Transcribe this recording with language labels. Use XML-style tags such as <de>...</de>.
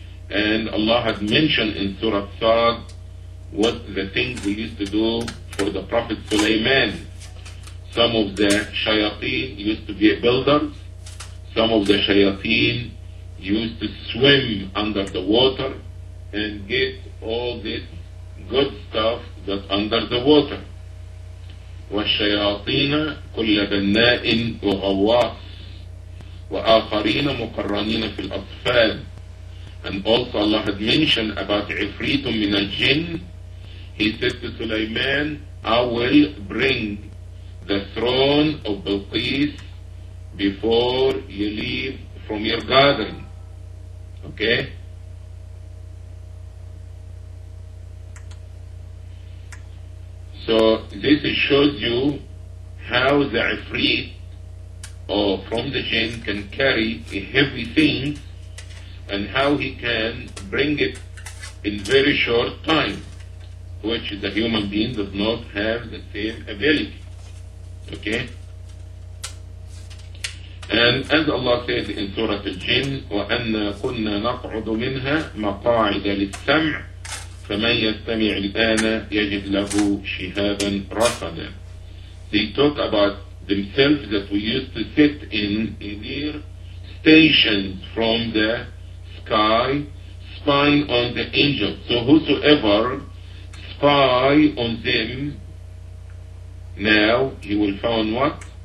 <en>And Allah has mentioned in Surah Sa'd what the things they used to do for the Prophet Sulaiman. Some of the shayateen used to be builders. Some of the shayateen used to swim under the water and get all this good stuff that under the water.</en> <ar>والشياطين كل بناء وغواص وآخرين مقرنين في الأصفاد.</ar> <en>And also Allah had mentioned about Ifrit</en> <ar>من الجن.</ar> <en>He said to Sulaiman, I will bring the throne of Bilqis before you leave from your gathering. Okay? So this shows you how the Ifrit from the jinn can carry a heavy thing and how he can bring it in very short time, which the human being does not have the same ability. Okay? And as Allah said in Surah Al-Jinn,</en> <ar>وَأَنَّا كُنَّا نَقْعُدُ مِنْهَا مَقَاعِدَ لِلسَّمْعِ فَمَنْ يَسْتَمِعِ الْآنَ يَجِدْ لَهُ شِهَابًا رَصَدًا.</ar> <en>They talk about themselves that we used to sit in their stations from the sky, spying on the angels. So whosoever spy on them, now he will find what?</en>